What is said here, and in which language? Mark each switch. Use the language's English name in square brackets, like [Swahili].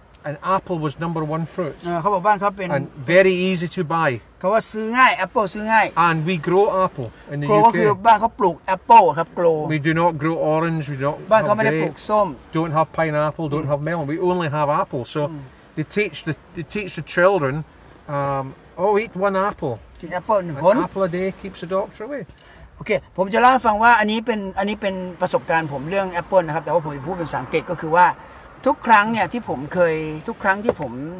[English] An apple was number one fruit. And very easy to buy. [Thai] เขาว่าซื้อง่ายแอปเปิลซื้อง่าย [English] And we grow apple in the UK. [Thai] โกลก็คือบ้านเขาปลูกแอปเปิลครับโกล [English] We do not grow orange. We don't. [Thai] บ้านเขาไม่ได้ปลูกส้ม [English] Don't have pineapple. Don't have melon. We only have apple. So they teach the children. Eat one apple. [Thai] กินแอปเปิลหนึ่งคน [English] An apple a day keeps the doctor away. [Thai] โอเคผมจะเล่าให้ฟังว่าอันนี้เป็นประสบการณ์ผมเรื่องแอปเปิลนะครับแต่ว่าผมพูดเป็นภาษาอังกฤษก็คือว่าทุกครั้งเนี่ยที่ผมเคยทุกครั้งที่ผม